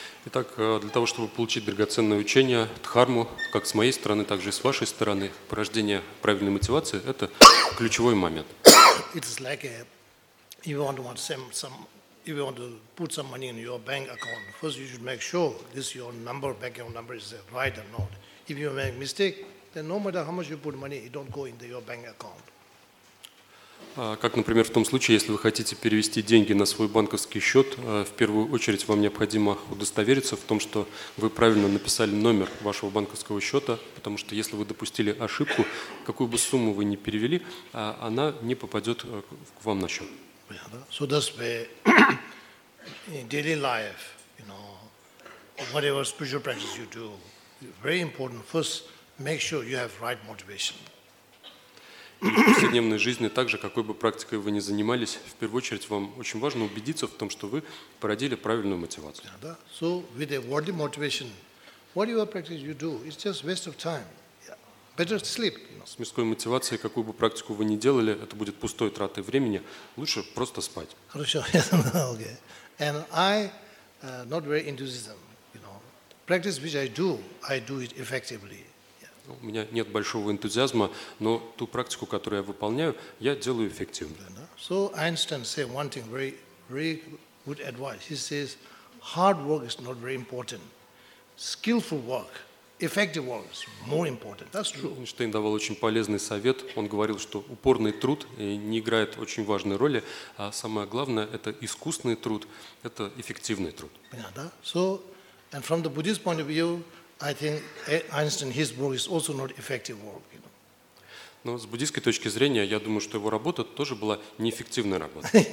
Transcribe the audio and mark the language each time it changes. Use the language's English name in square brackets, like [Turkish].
[Russian] Итак, для того, чтобы получить драгоценное учение, дхарму, как с моей стороны, так же и с вашей стороны, порождение правильной мотивации, это ключевой момент. [English] It is like a, if you want to send some, if you want to put some money in your bank account, first you should make sure this your number, bank account number is right or not. If you make mistake, then no matter how much you put money, it don't go into your bank account. [Russian] Как, например, в том случае, если вы хотите перевести деньги на свой банковский счет, в первую очередь вам необходимо удостовериться в том, что вы правильно написали номер вашего банковского счета, потому что если вы допустили ошибку, какую бы сумму вы ни перевели, она не попадет к вам на счет. [English] So that's where in daily life, you know, whatever spiritual practice you do, very important first make sure you have right motivation. [Russian] В повседневной жизни, также какой бы практикой вы ни занимались, в первую очередь вам очень важно убедиться в том, что вы породили правильную мотивацию. [English] Yeah, right? So with a worldly motivation, whatever practice you do, it's just waste of time. Yeah. Better sleep. [Russian] С мирской мотивацией, какую бы практику вы ни делали, это будет пустой тратой времени. Лучше просто спать. Хорошо. [English] Okay. And I not very enthusiasm. You know, practice which I do it effectively. [Russian] У меня нет большого энтузиазма, но ту практику, которую я выполняю, я делаю эффективно. [English] So Einstein said one thing, very, very good advice. He says, hard work is not very important. Skillful work, effective work is more important. That's true. [Russian] Эйнштейн давал очень полезный совет. Он говорил, что упорный труд не играет очень важной роли, а самое главное – это искусный труд, это эффективный труд. Понятно? [English] So, and from the Buddhist point of view, I think Einstein, his work is also not effective work. You know. [Russian] Но с буддийской точки зрения, я думаю, что его работа тоже была неэффективной работой.